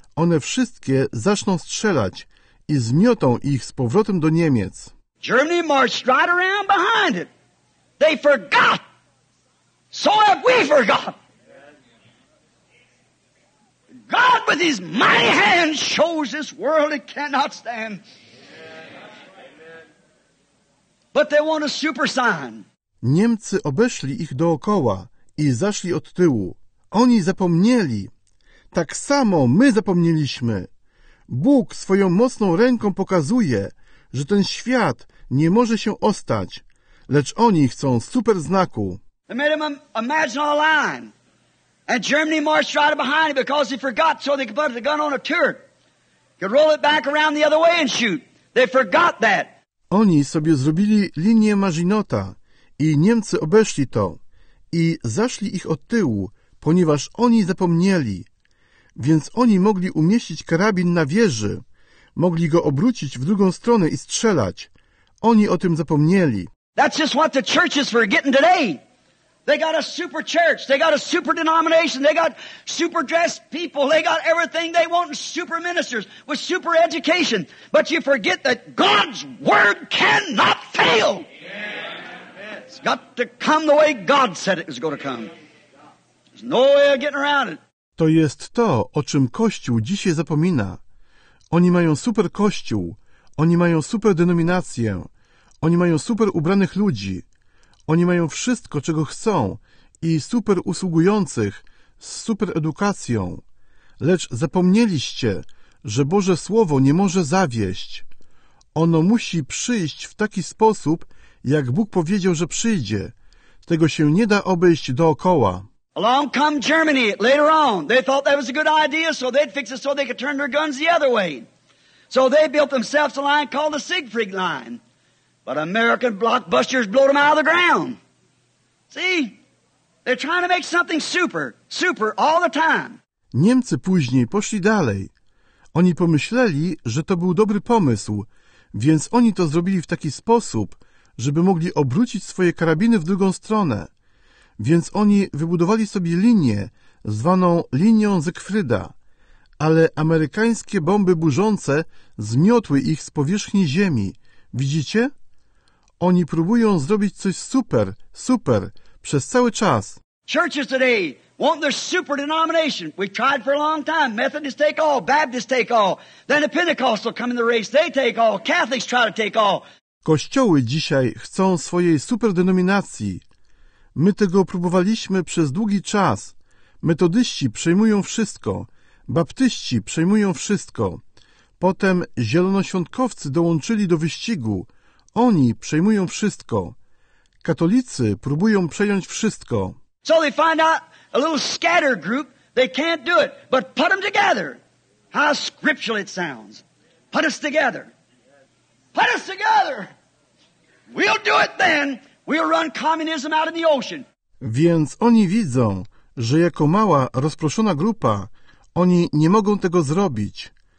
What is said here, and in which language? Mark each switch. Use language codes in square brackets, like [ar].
[pl] One wszystkie zaczną strzelać i zmiotą ich z powrotem do Niemiec. [en] Germany marched right around behind it. They forgot. So have we forgot. God with his mighty hand shows this world it cannot stand. But they want a super sign. [pl] Niemcy obeszli ich dookoła i zaszli od tyłu. Oni zapomnieli. Tak samo my zapomnieliśmy. Bóg swoją mocną ręką pokazuje, że ten świat nie może się ostać, lecz oni chcą super znaku. [en] They made him imagine a line. And Germany marched right behind it because they forgot so they could put the gun on a turret. Could roll it back around the other way and shoot. They forgot that. [pl] Oni sobie zrobili linię Maginota i Niemcy obeszli to i zaszli ich od tyłu, ponieważ oni zapomnieli. Więc oni mogli umieścić karabin na wieży. Mogli go obrócić w drugą stronę i strzelać. Oni o tym zapomnieli. [en] That's just what the church is forgetting today. They got a super church. They got a super denomination. They got super dressed people. They got everything they want in super ministers with super education. But you forget that God's word cannot fail. It's got to come the way God said it was going to come. There's no way of getting around it. [pl] To jest to, o czym Kościół dzisiaj zapomina. Oni mają super Kościół. Oni mają super denominację. Oni mają super ubranych ludzi. Oni mają wszystko, czego chcą i super usługujących z super edukacją. Lecz zapomnieliście, że Boże Słowo nie może zawieść. Ono musi przyjść w taki sposób, jak Bóg powiedział, że przyjdzie. Tego się nie da obejść dookoła. [en] Along come Germany later on. They thought that was a good idea, so they'd fix it so they could turn their guns the other way. So they built themselves a line called the Siegfried Line. But American blockbusters blowed them out of the ground. See? They're trying to make something super, super all the time. [pl] Niemcy później poszli dalej. Oni pomyśleli, że to był dobry pomysł, więc oni to zrobili w taki sposób, żeby mogli obrócić swoje karabiny w drugą stronę. Więc oni wybudowali sobie linię, zwaną linią Siegfrieda. Ale amerykańskie bomby burzące zmiotły ich z powierzchni ziemi. Widzicie? Oni próbują zrobić coś super, super, przez cały czas. [en] Churches today want their super denomination. We've tried for a long time. Methodists take all, Baptists take all. Then the Pentecostals come in the race, they take all. Catholics try to take all. [pl] Kościoły dzisiaj chcą swojej super denominacji. My tego próbowaliśmy przez długi czas. Metodyści przejmują wszystko. Baptyści przejmują wszystko. Potem zielonoświątkowcy dołączyli do wyścigu. Oni przejmują wszystko. Katolicy próbują przejąć wszystko. [en] So they find out a little scattered group, they can't do it. But put them together. How scriptural it sounds. Put us together. Put us together. We'll do it then. We'll run communism out in the ocean. [pl] Więc oni widzą, że jako mała, rozproszona grupa, oni nie mogą tego zrobić.